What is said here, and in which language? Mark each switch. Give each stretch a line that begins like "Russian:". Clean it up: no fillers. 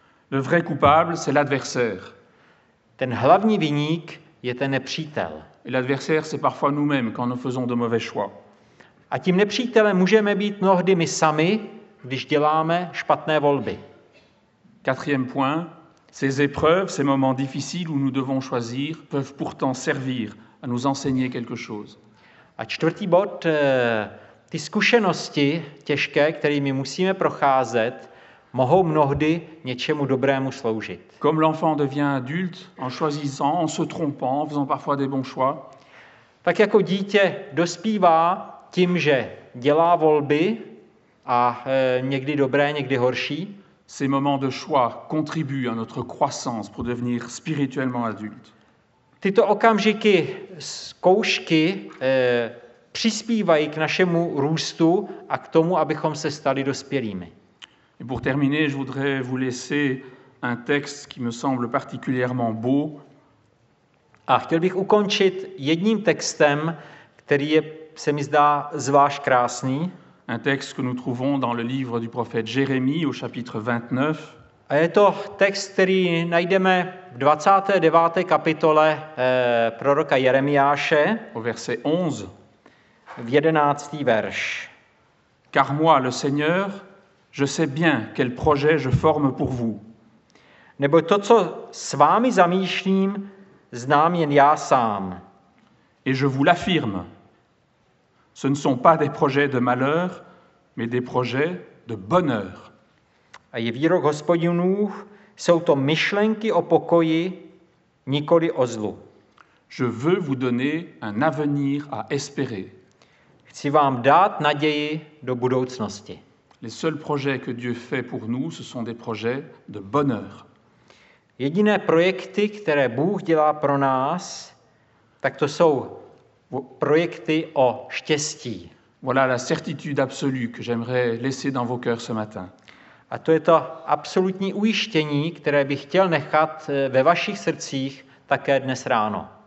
French: Le vrai coupable, c'est l'adversaire.
Czech: Ten hlavní viník je ten nepřítel.
French: Et l'adversaire, c'est parfois nous-mêmes quand nous faisons de mauvais choix.
Czech: A tím nepřítelem můžeme být mnohdy my sami, když děláme špatné volby.
French: Quatrième point. Ces épreuves, ces moments difficiles où nous devons choisir, peuvent pourtant servir à nous enseigner quelque chose.
Czech: A čtvrtý bod, ty zkušenosti těžké, kterými musíme procházet, mohou mnohdy něčemu dobrému sloužit.
French: Comme l'enfant devient adulte en choisissant, en se trompant, en faisant parfois des bons choix.
Czech: Tak jako dítě dospívá tím, že dělá volby a někdy dobré, někdy horší.
French: Ces moments de choix contribuent à notre croissance pour devenir spirituellement adultes.
Czech: Tyto okamžiky zkoušky přispívají k našemu růstu a k tomu, abychom se stali dospělými.
French: Et pour terminer, je voudrais vous laisser un texte qui me semble particulièrement beau.
Czech: A chtěl bych ukončit jedním textem, který je, se mi zdá zvlášť krásný.
French: Un texte que nous trouvons dans le livre du prophète Jérémie au chapitre 29.
Czech: A je to text, který najdeme v 29. kapitole proroka Jeremiáše.
French: Au verset 11.
Czech: V 11. verš.
French: Car moi, le Seigneur, je sais bien quel projet je forme pour vous.
Czech: Nebo to, co s vámi zamýšlím, znám jen já sám.
French: Et je vous l'affirme. Ce ne sont pas des projets de malheur, mais des projets de bonheur.
Czech: A je výrok Hospodinův, jsou to myšlenky o pokoji, nikoli o zlu.
French: Je veux vous donner un avenir à espérer.
Czech: Chci vám dát naději do budoucnosti.
French: Les seuls projets que Dieu fait pour nous, ce sont des projets de bonheur.
Czech: Jediné projekty, které Bůh dělá pro nás, tak to jsou projekty o štěstí.
French: Voilà la certitude absolue que j'aimerais laisser dans vos cœurs ce matin.
Czech: A to je to absolutní ujištění, které bych chtěl nechat ve vašich srdcích také dnes ráno.